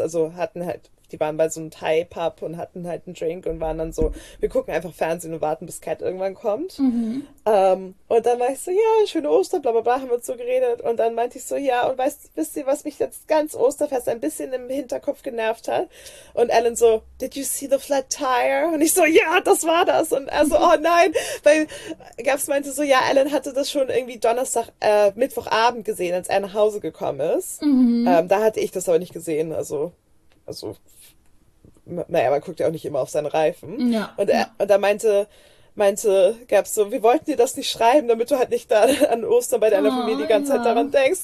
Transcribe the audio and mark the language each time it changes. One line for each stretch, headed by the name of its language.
German: Also hatten halt Die waren bei so einem Thai-Pub und hatten halt einen Drink und waren dann so, wir gucken einfach Fernsehen und warten, bis Cat irgendwann kommt. Und dann war ich so, ja, schöne Ostern, bla bla bla, haben wir so geredet. Und dann meinte ich so, ja, und wisst ihr, was mich jetzt ganz Osterfest ein bisschen im Hinterkopf genervt hat? Und Alan so,
English: did you see the flat tire?
German: Und ich so, ja, das war das. Und er so, oh nein. Weil Gabs meinte so, ja, Alan hatte das schon irgendwie Donnerstag, Mittwochabend gesehen, als er nach Hause gekommen ist. Da hatte ich das aber nicht gesehen, also, naja, man guckt ja auch nicht immer auf seinen Reifen. Ja, und da meinte gab's so, wir wollten dir das nicht schreiben, damit du halt nicht da an Ostern bei deiner Familie die ganze Zeit daran denkst.